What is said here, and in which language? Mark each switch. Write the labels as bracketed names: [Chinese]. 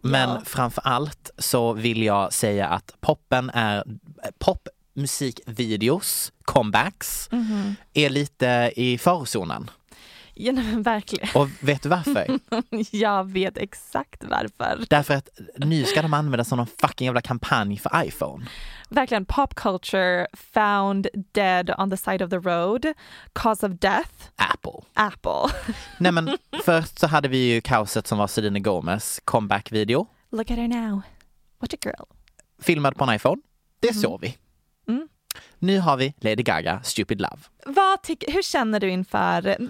[Swedish] Men framför allt så vill jag säga att poppen är popmusikvideos, comebacks, är lite i farozonen. Ja, nej, verkligen. Och vet du varför? Jag vet exakt varför. Därför att nu ska de använda som någon fucking jävla kampanj för iPhone. Verkligen, [English] pop culture found dead on the side of the road. Cause of death. Apple. [Swedish] Nej, men först så hade vi ju kaoset som var Selena Gomez comeback-video. [English] Look at her now. What a girl. [Swedish] Filmad på en iPhone. Det såg vi. Mm. Nu har vi Lady Gaga, Stupid Love. Hur känner du inför...